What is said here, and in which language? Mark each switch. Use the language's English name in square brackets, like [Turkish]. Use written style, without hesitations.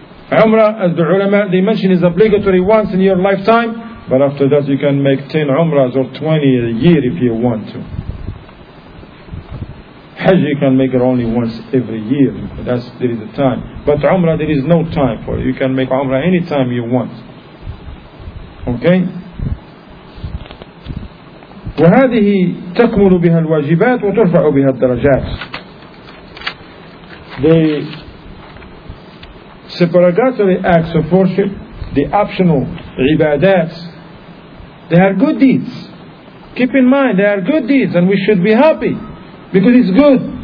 [English] Umrah, as the ulama, they mention is obligatory once in your lifetime, but after that you can make 10 umrahs or 20 a year if you want to. Hajj you can make it only once every year. That's there is a time. But umrah there is no time for it. You can make umrah anytime you want. Okay? [Arabic] وهذه تكمل بها الواجبات وترفع بها الدرجات. [English] The supererogatory acts of worship, the optional ibadats, they are good deeds. Keep in mind, they are good deeds and we should be happy because it's good.